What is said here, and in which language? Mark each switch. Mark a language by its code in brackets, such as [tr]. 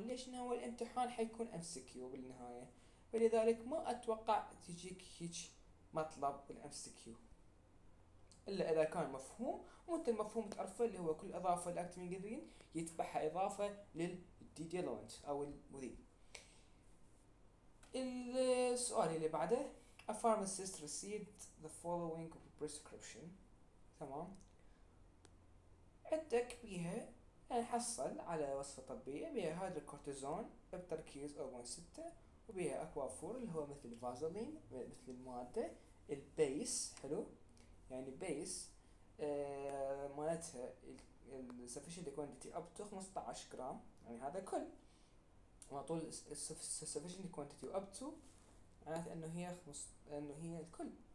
[ar] ليش؟ إنه هو الامتحان حيكون ام سي كيو بالنهاية، فلذلك ما أتوقع تجيك هيج مطلب بالام سي كيو الا اذا كان مفهوم، وانت المفهوم تعرفه اللي هو كل اضافه للاكتيف انجريدينت يتبعها اضافه للديلوينت او المذيب. السؤال اللي بعده، [en] a pharmacist received the following prescription. [ar] تمام، عندك بيها حصل على وصفه طبيه بيها هيدروكورتيزون بتركيز 0.6، وبيها اكوافور اللي هو مثل فازلين مثل الماده البيس. حلو، يعني بيس مالتها السفشنت كوانتيتي اب تو 15 جرام، يعني هذا كل ما طول السفشنت كوانتيتي اب تو معناته انه هي الكل.